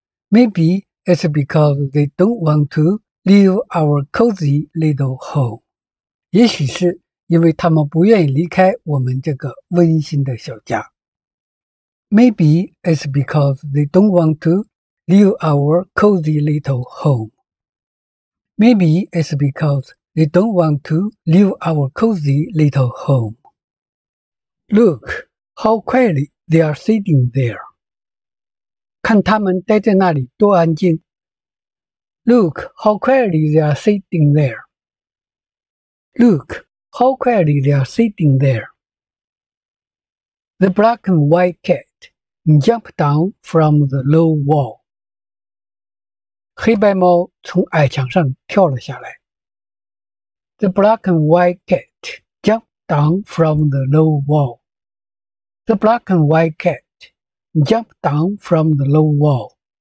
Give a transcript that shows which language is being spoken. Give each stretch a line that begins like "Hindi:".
English: Maybe it's because they don't want to leave our cozy little home.
Chinese: 也许是因为他们不愿意离开我们这个温馨的小家。
English: Maybe it's because they don't want to leave our cozy little home. Maybe it's because they don't want to leave our cozy little home. Look how quietly they are sitting there.
Chinese: 看他们待在那里多安静。
English: Look how quietly they are sitting there. Look how quietly they are sitting there. The black and white cat jumped down from the low wall.
Chinese: 黑白猫从矮墙上跳了下来。
English: The black and white cat jumped down from the low wall. The black and white cat jumped down from the low wall.